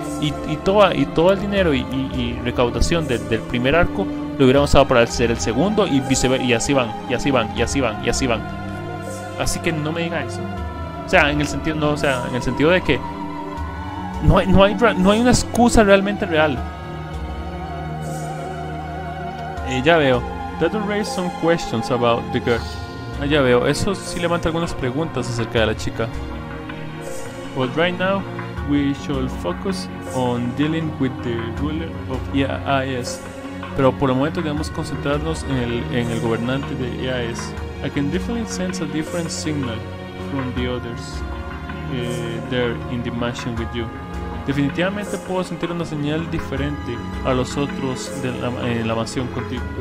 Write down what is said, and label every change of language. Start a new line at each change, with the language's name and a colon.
Spanish: Y todo el dinero y recaudación del primer arco lo hubieran usado para hacer el segundo. Y así van. Así que no me diga eso. O sea, en el sentido de que no hay una excusa realmente real. Ya veo.
English: That will raise some questions about the girl.
Spanish: Ah, ya veo, eso sí levanta algunas preguntas acerca de la chica.
English: But right now, we shall focus on dealing with the ruler of EAS.
Spanish: Pero por el momento debemos concentrarnos en el gobernante de EAS.
English: I can definitely sense a different signal from the others there in the mansion with you.
Spanish: Definitivamente puedo sentir una señal diferente a los otros en la mansión contigo.